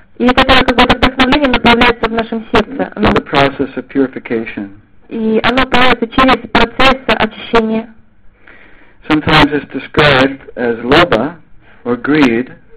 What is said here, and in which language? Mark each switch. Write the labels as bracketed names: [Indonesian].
[Russian] И которое какое-то вдохновение направляется в нашем сердце. [English] Through the process of purification. [Russian] И оно проводится через процесс очищения. [English] Sometimes it's described as lobha or greed.